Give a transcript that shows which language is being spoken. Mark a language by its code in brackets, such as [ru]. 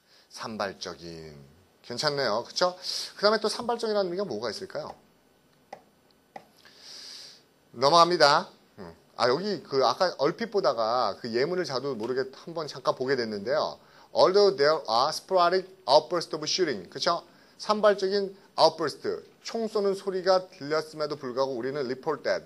[ko] 산발적인. 괜찮네요. 그쵸? 그 다음에 또 산발적이라는 의미가 뭐가 있을까요? 넘어갑니다. 아, 여기 그 아까 얼핏 보다가 그 예문을 자도 모르게 한번 잠깐 보게 됐는데요. [en] Although there are sporadic outbursts of shooting. [ko] 그쵸? 산발적인 outburst. 총 쏘는 소리가 들렸음에도 불구하고 우리는 [en] report that.